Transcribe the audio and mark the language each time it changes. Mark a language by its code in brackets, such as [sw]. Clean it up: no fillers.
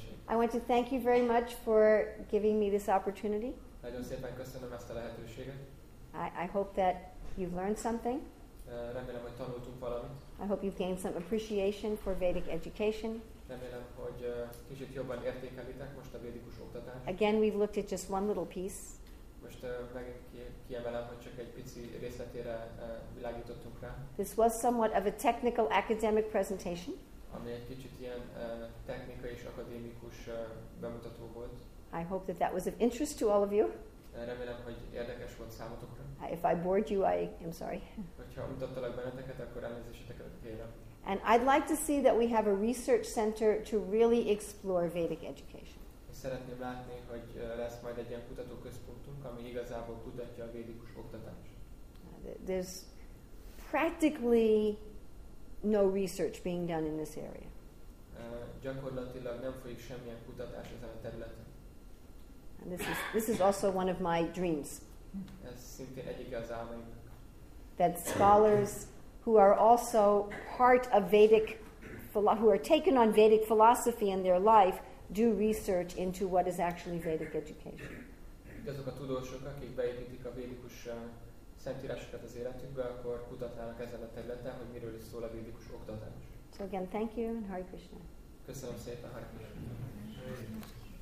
[en] I want to thank you very much for giving me this opportunity. [hu] Nagyon szépen köszönöm ezt a lehetőséget. [en] I hope that you've learned something. [hu] Remélem, hogy tanultunk valamit. [en] I hope you've gained some appreciation for Vedic education. [hu] Remélem, hogy kicsit jobban értékelitek most a védikus oktatást. [en] Again, we've looked at just one little piece. [hu] Most megint kiemelem, hogy csak egy pici részletére világítottunk rá. [en] This was somewhat of a technical academic presentation. [hu] Ami egy kicsit ilyen technikai és akadémikus bemutató volt. [en] I hope that that was of interest to all of you. [hu] Remélem, hogy érdekes volt számotokra. [en] If I bored you, I am sorry. [hu] Hogyha utattalak benneteket, akkor elnézésetekre kérem. [en] And I'd like to see that we have a research center to really explore Vedic education. [hu] Szeretném látni, hogy lesz majd egy ilyen kutatóközpontunk, ami igazából kutatja a védikus oktatást. [en] There's practically no research being done in this area. [hu] Gyakorlatilag nem folyik semmilyen kutatás ezen a területen. [en] And this is also one of my dreams. [hu] Ez szintén egyike az álmaimnak. [en] That scholars who are also part of Vedic who are taken on Vedic philosophy in their life do research into what is actually Vedic education. [hu] Azok a tudósok, akik beépítik a védikus szentírásokat az életükbe, akkor kutatnának ezen a területen, hogy miről is szól a védikus oktatás. [en] So again, thank you and Hare Krishna. [hu] Köszönöm szépen, Hare Krishna.